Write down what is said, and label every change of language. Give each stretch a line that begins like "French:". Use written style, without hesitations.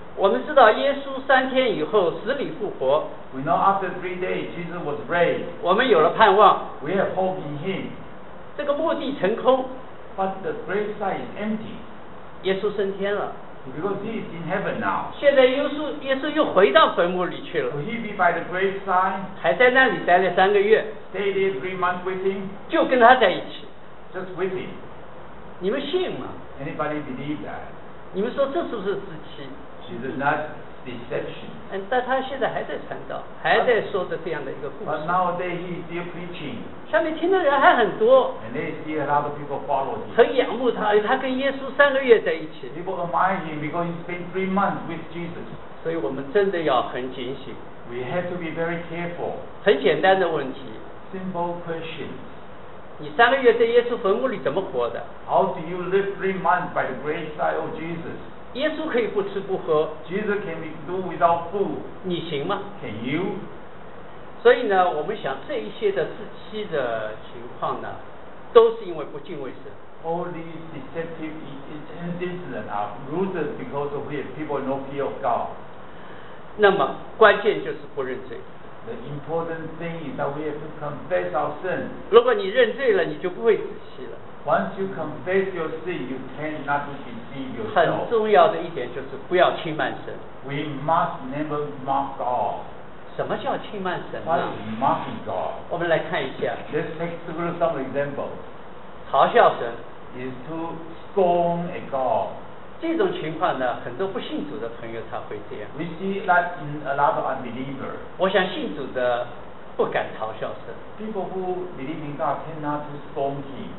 Chinese: 我们知道耶稣3天以后死里复活。
English: We know after 3 days Jesus was raised.
Chinese: 我们有了盼望。
English: We have hope in him.
Chinese: 这个墓地成空。
English: But the graveside is empty.
Chinese: 耶稣升天了。
English: Because he is in heaven now.
Chinese: 现在耶稣又回到坟墓里去了。
English: Will he be by the graveside?
Chinese: 还在那里待了3个月。
English: Stay there 3 months with him.
Chinese: 就跟他在一起。
English: Just with him.
Chinese: 你们信吗？
English: Anybody believe that?
Chinese: 你们说这是不是自欺？
English: It is not deception.
Chinese: 但他现在还在传道，还在说着这样的一个故事。
English: But nowadays he is still preaching.
Chinese: 下面听的人还很多。
English: And they see a lot of people follow him.
Chinese: 曾仰慕他，他跟耶稣3个月在一起。
English: People admire him because he spent 3 months with Jesus.
Chinese: 所以我们真的要很警醒。
English: We have to be very careful.
Chinese: 很简单的问题。
English: simple questions.
Chinese: 你三个月在耶稣坟墓里怎么活的？
English: How do you live 3 months by the grace side of Jesus?
Chinese: 耶稣可以不吃不喝。
English: Jesus can do without food.
Chinese: 你行吗？
English: Can you?
Chinese: 所以呢，我们想这一些的自欺的情况呢，都是因为不敬畏神。
English: All these deceptive incidents are rooted because of which people no fear of God.
Chinese: 那么关键就是不认罪。
English: The important thing is that we have to confess our sin.
Chinese: 如果你认罪了，你就不会自欺了。
English: Once you confess your sin, you cannot deceive yourself.
Chinese: 很重要的一点就是不要轻慢神。
English: We must never mock God.
Chinese: 什么叫轻慢神呢？
English: What is mocking God?
Chinese: 我们来看一下。
English: Let's take through some examples.
Chinese: 嘲笑神。
English: Is to scorn a God.
Chinese: 这种情况呢，很多不信主的朋友他会这样。
English: We see that in a lot of unbelievers.
Chinese: 我想信主的不敢嘲笑神。
English: People who believe in God cannot to scorn him.